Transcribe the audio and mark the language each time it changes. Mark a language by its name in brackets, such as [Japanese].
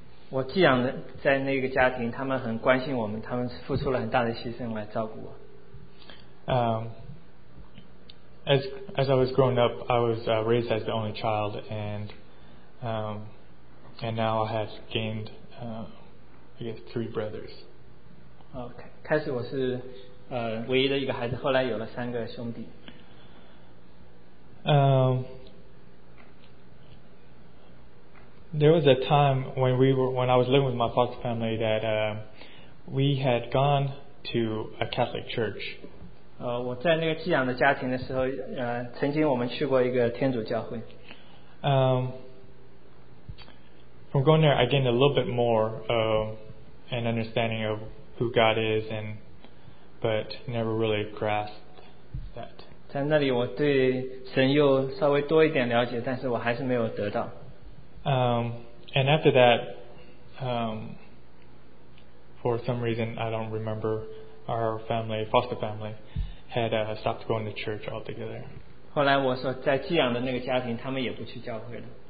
[Chinese] 我寄养的在那个家庭，他们很关心我们，他们付出了很大的牺牲来照顾我。 [English] As I was growing up, I was raised as the only child, and now I had gained, I guess, three brothers. Okay. [Chinese] 开始我是唯一的一个孩子，后来有了三个兄弟。 [English] There was a time when I was living with my foster family that we had gone to a Catholic church. [Chinese] 我在那个寄养的家庭的时候，曾经我们去过一个天主教会。 [English] From going there, I gained a little bit more an understanding of who God is, but never really grasped that. [Chinese] 在那里，我对神又稍微多一点了解，但是我还是没有得到。 [English] And after that, for some reason I don't remember, our family, foster family. Had stopped going to church altogether. [Chinese] 后来我说在寄养的那个家庭，他们也不去教会了。